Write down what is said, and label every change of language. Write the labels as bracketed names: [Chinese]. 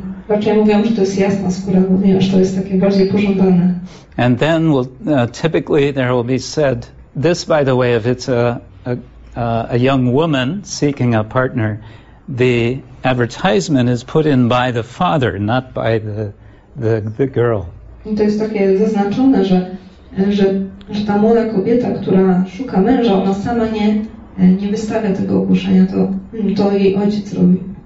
[Polish] Raczej mówią, że to jest jasna skóra, ponieważ to jest takie bardziej pożądane. [English] And then we'll, typically there will be said, this by the way, if it's a young woman seeking a partner, the advertisement is put in by the father, not by the girl. [Polish] I to jest takie zaznaczone, że ta młoda kobieta, która szuka męża, ona sama nie wystawia tego ogłoszenia, to jej ojciec robi.